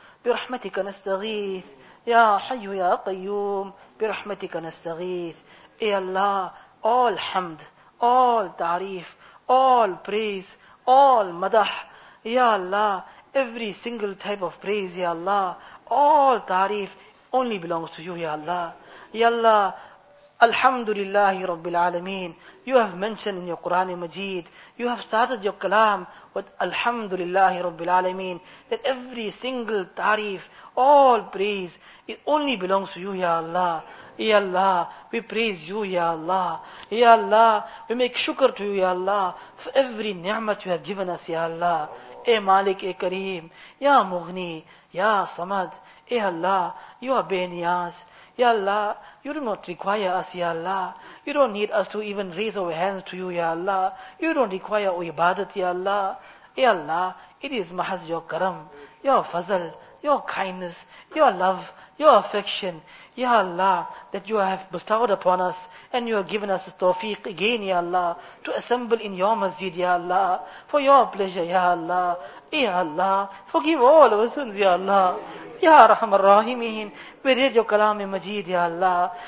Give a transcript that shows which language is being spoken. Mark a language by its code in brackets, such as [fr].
[ar] برحمتك نستغيث يا حي يا قيوم برحمتك نستغيث يا الله [en] all حمد all تعريف all praise all مدح Ya Allah, every single type of praise, Ya Allah, all tarif only belongs to you, Ya Allah. Ya Allah, Alhamdulillahi Rabbil Alameen, you have mentioned in your Quran Majeed, you have started your kalam with Alhamdulillahi Rabbil Alameen, that every single tarif, all praise, it only belongs to you, Ya Allah. Ya Allah, we praise you, Ya Allah. Ya Allah, we make shukr to you, Ya Allah, for every ni'mat you have given us, Ya Allah. اے مالک اے کریم یا مغنی یا صمد اے اللہ یو آر بے نیاز یا اللہ you do not require us یا اللہ you don't need us to even raise our hands to you یا اللہ یو ڈونٹ ریکوائر او عبادت یا اللہ اے اللہ اٹ از محض یور کرم your fazal, your kindness, your love, your affection, ya Allah, that you have bestowed upon us, and you have given us a tawfiq again, ya Allah, to assemble in your masjid, ya Allah, for your pleasure, ya Allah. Ya Allah, forgive all our sins, ya Allah. Ya Rahman Rahimin, we read your Kalam-e-Majeed, ya Allah.